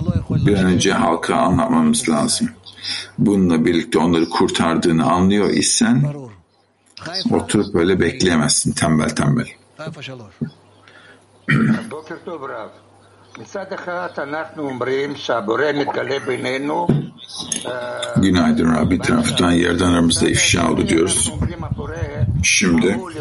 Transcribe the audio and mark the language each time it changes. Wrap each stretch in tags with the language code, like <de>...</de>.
<tr>Bir an önce halka anlatmamız lazım. Bununla birlikte onları kurtardığını anlıyor isen oturup böyle bekleyemezsin tembel tembel.</tr> <he>בוקר טוב רב. מצד אחד אנחנו אומרים שהבורא מתגלה בינינו.</he> <tr>Günaydın Rab. Bir taraftan yerden aramızda ifşa oldu diyoruz. Şimdi.</tr>